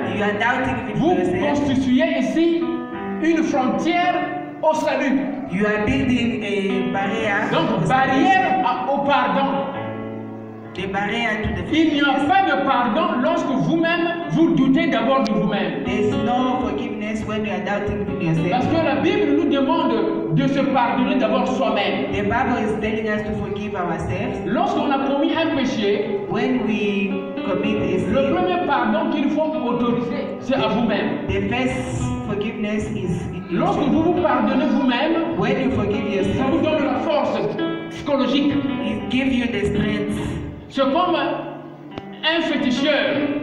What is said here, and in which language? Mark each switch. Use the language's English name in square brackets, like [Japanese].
[English] you are doubting with [French] vous [English] yourself, [French] constituez ici une frontière au salut. [English] You are building a barrier. [French] Donc barrière au pardon. [English] The barrier to the forgiveness. [French] Il n'y a pas de pardon lorsque vous-même vous doutez d'abord de vous-même. [English] There's no forgiveness when you are doubting to yourself. [French] Parce que la Bible nous demande de se pardonner d'abord soi-même. [English] The Bible is telling us to forgive ourselves. [French] Lorsqu'on a commis un péché, [English] when we commit a sin, [French] le premier pardon qu'il faut autoriser, c'est à vous-même. [English] The first forgiveness is. [French] Lorsque vous vous pardonnez vous-même, [English] when you forgive yourself, [French] ça vous donne la force psychologique. [English] It gives you the strength. [French] C'est comme un féticheur,